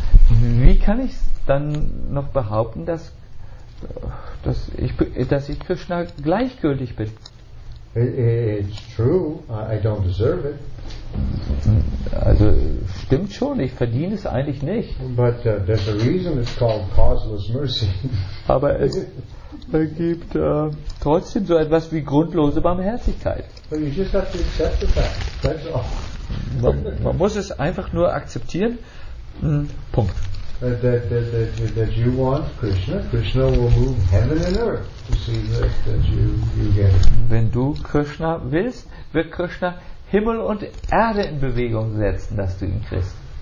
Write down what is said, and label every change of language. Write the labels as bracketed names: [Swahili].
[German] Wie kann ich dann noch behaupten, dass ich Krishna gleichgültig bin? [English] It's true. I don't deserve it. [German] Also stimmt schon. Ich verdiene es eigentlich nicht. [English] But there's a reason it's called causeless mercy. [German] Aber es ergibt trotzdem so etwas wie grundlose Barmherzigkeit. [English] But you just have to accept the fact. That's all. [German] Man muss es einfach nur akzeptieren. Punkt. [English] that you want Krishna, Krishna will move heaven and earth to see that you get it. [German] Wenn du Krishna willst, wird Krishna Himmel und Erde in Bewegung setzen, dass du ihn kriegst.